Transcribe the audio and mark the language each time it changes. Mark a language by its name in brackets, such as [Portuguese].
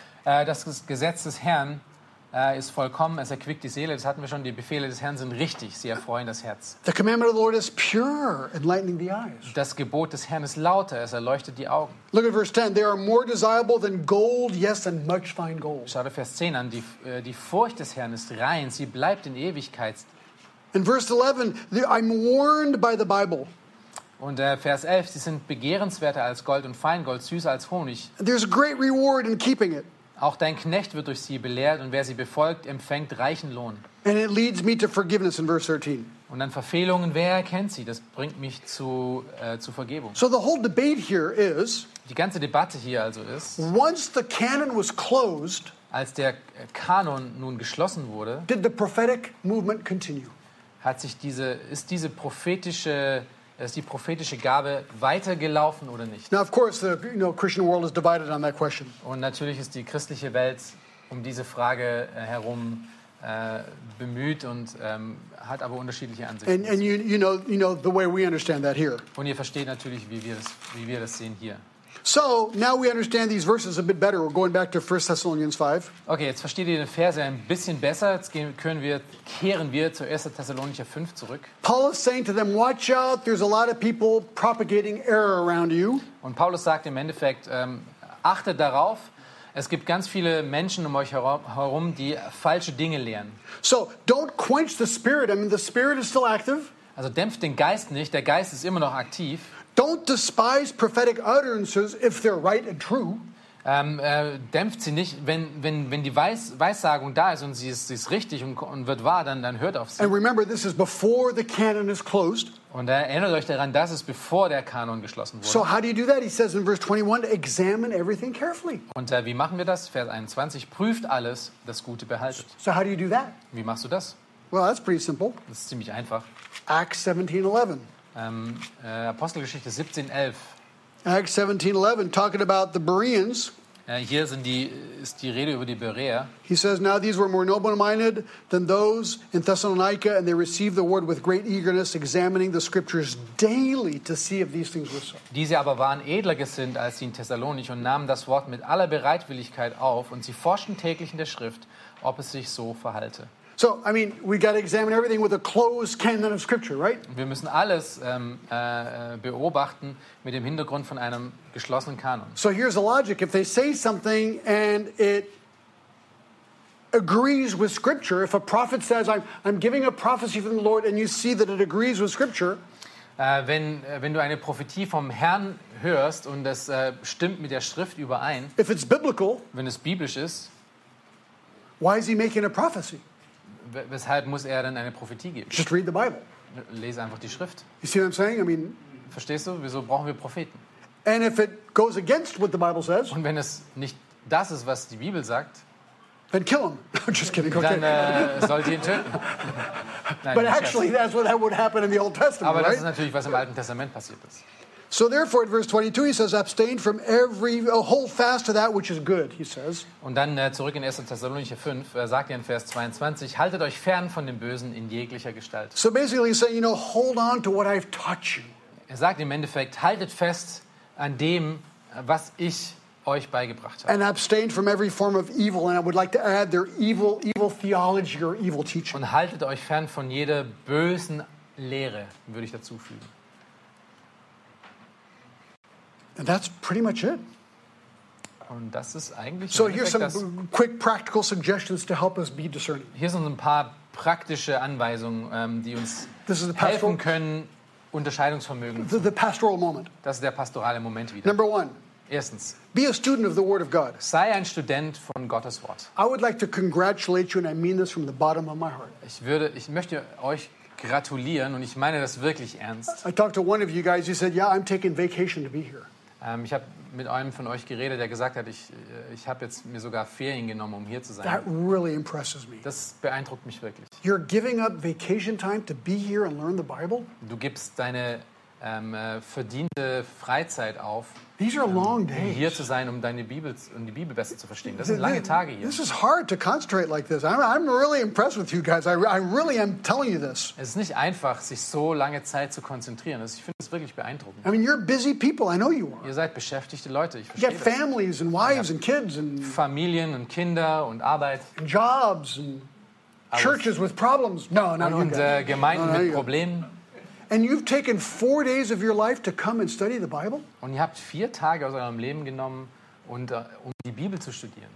[German] Das Gesetz des Herrn ist vollkommen, es erquickt die Seele. Das hatten wir schon, die Befehle des Herrn sind richtig, sie erfreuen das Herz. [English] The commandment of the Lord is pure, enlightening the eyes. [German] Das Gebot des Herrn ist lauter, es erleuchtet die Augen. [English] Look at verse 10, they are more desirable than gold, yes, and much fine gold. [German] Schaut auf Vers 10 an, die Furcht des Herrn ist rein, sie bleibt in Ewigkeit. [English] In verse 11, I'm warned by the Bible. [German] Und Vers 11, sie sind begehrenswerter als Gold und Feingold, süßer als Honig. [English] There's great reward in keeping it. [German] Auch dein Knecht wird durch sie belehrt und wer sie befolgt, empfängt reichen Lohn. [English] And it leads me to forgiveness in verse 13. [German] Und dann Verfehlungen, wer erkennt sie? Das bringt mich zu Vergebung. [English] So the whole debate here is, [German] die ganze Debatte hier also ist, [English] once the canon was closed, [German] als der Kanon nun geschlossen wurde, [English] did the prophetic movement continue? [German] Hat sich ist die prophetische Gabe weitergelaufen oder nicht? [English] Now, of course, the, you know, Christian world is divided on that question. [German] Und natürlich ist die christliche Welt um diese Frage herum bemüht und hat aber unterschiedliche Ansichten. [English] And you know the way we understand that here. [German] Und ihr versteht natürlich, wie wir das sehen hier. [English] So, now we understand these verses a bit better. We're going back to 1 Thessalonians 5. [German] Okay, jetzt versteht ihr den Vers ein bisschen besser. Jetzt kehren wir zu 1. Thessalonicher 5 zurück. [English] Paul is saying to them, watch out, there's a lot of people propagating error around you. [German] Und Paulus sagt im Endeffekt, achtet darauf, es gibt ganz viele Menschen um euch herum, die falsche Dinge lehren. [English] So, don't quench the spirit. I mean, the spirit is still active. [German] Also dämpft den Geist nicht, der Geist ist immer noch aktiv. [English] Don't despise prophetic utterances if they're right and true. [German] Dämpft sie nicht, wenn die Weissagung da ist und sie ist richtig und wird wahr, dann hört auf sie. [English] And remember, this is before the canon is closed. [German] Und erinnert euch daran, das ist bevor der Kanon geschlossen wurde. [English] So how do you do that? He says in verse 21, examine everything carefully. [German] Und wie machen wir das? Vers 21, prüft alles, das Gute behaltet. [English] So how do you do that? [German] Wie machst du das? [English] Well, that's pretty simple. [German] Das ist ziemlich einfach. [English] Acts 17:11. [German] Apostelgeschichte 17:11. [English] Acts 17:11, talking about the Bereans. [German] Hier ist die Rede über die Berea. [English] He says, now these were more noble-minded than those in Thessalonica, and they received the word with great eagerness, examining the scriptures daily to see if these things were so. [German] Diese aber waren edler gesinnt als die in Thessalonik und nahmen das Wort mit aller Bereitwilligkeit auf, und sie forschten täglich in der Schrift, ob es sich so verhalte. [English] So, I mean, we got to examine everything with a closed canon of scripture, right? [German] Wir müssen alles beobachten mit dem Hintergrund von einem geschlossenen Kanon. [English] So here's the logic. If they say something and it agrees with scripture, if a prophet says, I'm giving a prophecy from the Lord and you see that it agrees with scripture. [German] Wenn du eine Prophetie vom Herrn hörst und das stimmt mit der Schrift überein. [English] If it's biblical. [German] Wenn es biblisch ist. [English] Why is he making a prophecy? [German] Weshalb muss er denn eine Prophetie geben? [English] Just read the Bible. [German] Lese einfach die Schrift. [English] You see what I'm saying? I mean, [German] verstehst du, wieso brauchen wir Propheten? [English] And if it goes against what the Bible says, [German] und wenn es nicht das ist, was die Bibel sagt, [English] then kill him. Just kidding. Okay. [German] Dann sollt ihr ihn töten. Nein, [English] but actually, that's what would happen in the Old Testament, [German] aber [English] right? [German] Das ist natürlich, was im Alten Testament passiert ist. [English] So therefore, in verse 22, he says, abstain from every, hold fast to that which is good, he says. [German] Und dann zurück in 1. Thessalonicher 5, sagt er in Vers 22, haltet euch fern von dem Bösen in jeglicher Gestalt. [English] So basically, he's saying, you know, hold on to what I've taught you. [German] Er sagt im Endeffekt, haltet fest an dem, was ich euch beigebracht habe. [English] And abstain from every form of evil, and I would like to add, their evil theology or evil teaching. [German] Und haltet euch fern von jeder bösen Lehre, würde ich dazu fügen. [English] And that's pretty much it. [German] Und das ist eigentlich so. [English] Here's some quick practical suggestions to help us be discerning. [German] Hier sind ein paar praktische Anweisungen, die uns helfen können, Unterscheidungsvermögen. [English] The pastoral moment. [German] Das ist der pastorale Moment wieder. [English] Number one. [German] Erstens. [English] Be a student of the Word of God. [German] Sei ein Student von Gottes Wort. [English] I would like to congratulate you, and I mean this from the bottom of my heart. [German] Ich möchte euch gratulieren, und ich meine das wirklich ernst. [English] I talked to one of you guys. You said, "Yeah, I'm taking vacation to be here." [German] Ich habe mit einem von euch geredet, der gesagt hat, ich habe jetzt mir sogar Ferien genommen, um hier zu sein. [English] That really impresses me. [German] Das beeindruckt mich wirklich. [English] You're giving up vacation time to be here and learn the Bible? [German] Du gibst deine verdiente Freizeit auf, [English] These are long days. [German] Um hier zu sein, um deine Bibel und die Bibel besser zu verstehen. Das sind lange Tage hier. [English] This is hard to concentrate like this. I'm really impressed with you guys. I really am telling you this. [German] Es ist nicht einfach, sich so lange Zeit zu konzentrieren. Ich finde es wirklich beeindruckend. [English] I mean, you're busy people. I know you are. [German] Ihr seid beschäftigte Leute. Ich verstehe das. [English] You have families and wives and kids and [German] Familien und Kinder und Arbeit. [English] And jobs and churches with problems. No, not [German] und [English] you guys. [German] Und Gemeinden mit Problemen. [English] And you've taken 4 days of your life to come and study the Bible? [German] Und ihr habt 4 Tage aus eurem Leben genommen, um die Bibel zu studieren.